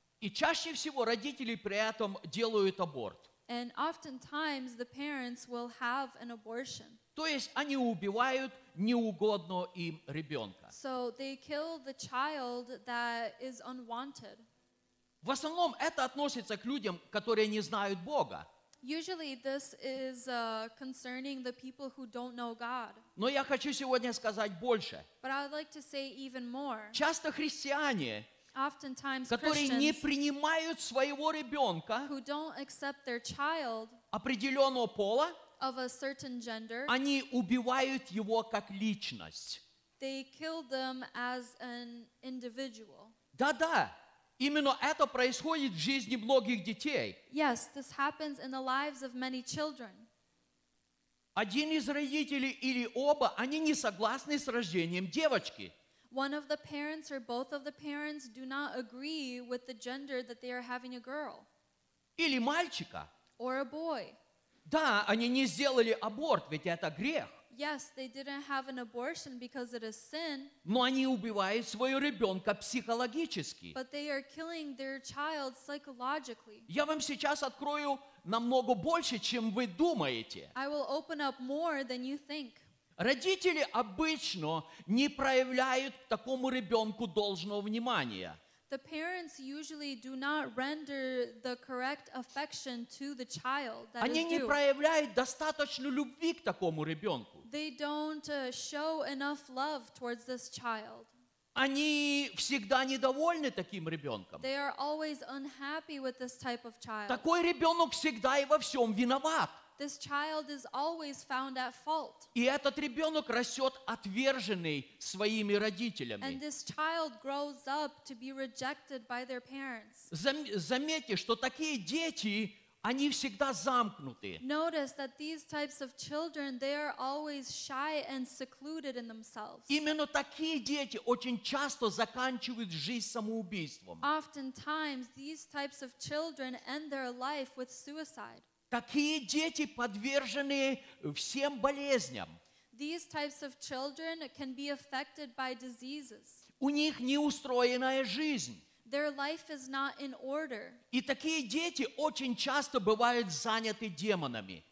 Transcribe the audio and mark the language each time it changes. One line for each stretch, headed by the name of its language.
Russian: И чаще всего родители при этом делают аборт.
English: And oftentimes the parents will have an abortion.
Russian: То есть они убивают неугодного им ребенка.
English: So they kill the child that is unwanted.
Russian: В основном это относится к людям, которые не знают Бога.
English: Usually this is concerning the people who don't know God.
Russian: Но я хочу сегодня сказать больше.
English: But I'd like to say even more.
Russian: Часто христиане,
English: oftentimes
Russian: которые
English: Christians,
Russian: не принимают своего ребенка,
English: who don't accept their child,
Russian: определенного пола,
English: of a certain gender,
Russian: они убивают его как личность.
English: They kill them as an individual.
Russian: Да-да. Именно это происходит в жизни многих детей.
English: Yes, this happens in the lives of many children.
Russian: Один из родителей или оба, они не согласны с рождением девочки.
English: One of the parents or both of the parents do not agree with the gender that they are having a girl.
Russian: Или мальчика.
English: Or a boy.
Russian: Да, они не сделали аборт, ведь это грех.
English: Yes, they didn't have an abortion because it is sin.
Russian: Но они убивают своего ребенка психологически.
English: But they are killing their child psychologically.
Russian: Я вам сейчас открою намного больше, чем вы думаете.
English: I will open up more than you think.
Russian: Родители обычно не проявляют к такому ребенку должного внимания.
English: The parents usually do not render the correct affection to the child that
Russian: они
English: is due.
Russian: Они не проявляют достаточно любви к такому ребенку.
English: They don't show enough love towards this child.
Russian: Они всегда недовольны таким ребенком.
English: They are always unhappy with this type of child.
Russian: Такой ребенок всегда и во всем виноват.
English: This child is always found at fault.
Russian: И этот ребенок растет отверженный своими родителями.
English: And this child grows up to be rejected by their parents.
Russian: Заметьте, что такие дети, они всегда замкнуты.
English: Notice that these types of children, they are always shy and secluded in themselves.
Russian: Именно такие дети очень часто заканчивают жизнь самоубийством.
English: Oftentimes, these types of children end their life with suicide.
Russian: Какие дети подвержены всем болезням?
English: These types of children can be affected by diseases.
Russian: У них неустроенная жизнь.
English: Their life is not in order.
Russian: И такие дети очень часто бывают заняты демонами.